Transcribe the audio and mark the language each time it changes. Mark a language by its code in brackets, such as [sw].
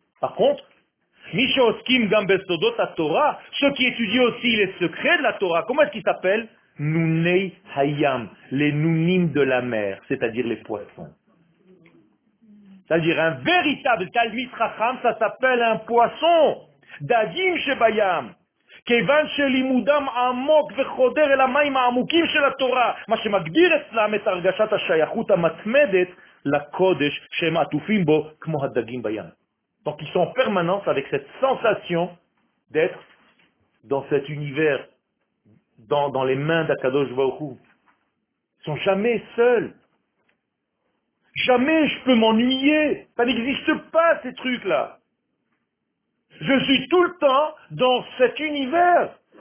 [fr] Par contre, [he] Mishoskim Gambesodot à Torah, [fr] ceux qui étudient aussi les secrets de la Torah, comment est-ce qu'ils s'appellent? [he] Nunei Hayam, [fr] les Nunim de la mer, c'est-à-dire les poissons. C'est-à-dire un véritable Talmid Chacham, ça s'appelle un poisson. [he] Dadim Shebayam. כיוון שלימודם עמוק וחודר אל המים העמוקים של התורה, מה שמגדיר אצלם את הרגשת השייכות המתמדת לקודש שהם עטופים בו כמו הדגים בים. [fr] Donc ils sont en permanence avec cette sensation d'être dans cet univers, dans les mains d'Akadosh Baruch Hu. Ils sont jamais seuls. Jamais je peux m'ennuyer. Ça n'existe pas ces trucs-là. Je suis tout le temps dans cet univers.